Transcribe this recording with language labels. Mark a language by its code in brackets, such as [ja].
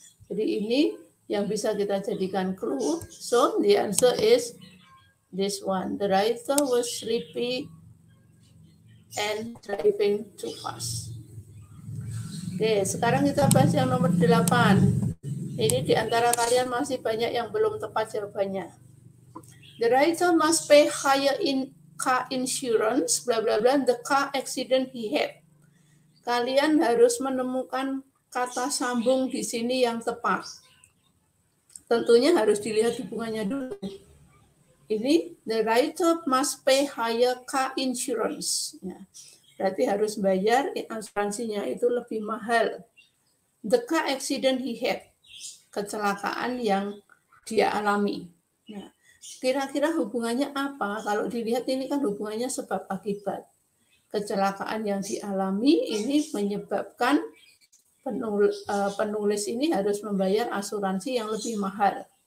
[id] Jadi ini yang bisa kita jadikan clue. [en] So, the answer is this one. The writer was sleepy and driving too fast. [id] Oke, sekarang kita bahas yang nomor 8. Ini di antara kalian masih banyak yang belum tepat jawabannya. [en] The writer must pay higher in car insurance, bla bla bla, the car accident he had. [id] Kalian harus menemukan kata sambung di sini yang tepat. Tentunya harus dilihat hubungannya dulu. [en] Ini, the writer must pay higher car insurance. [id] Ya. Berarti harus bayar asuransinya itu lebih mahal. [en] The car accident he had. [id] Kecelakaan yang dia alami. Nah, kira-kira hubungannya apa? Kalau dilihat ini kan hubungannya sebab-akibat. Kecelakaan yang dialami ini menyebabkan penulis ini harus membayar asuransi yang lebih mahal.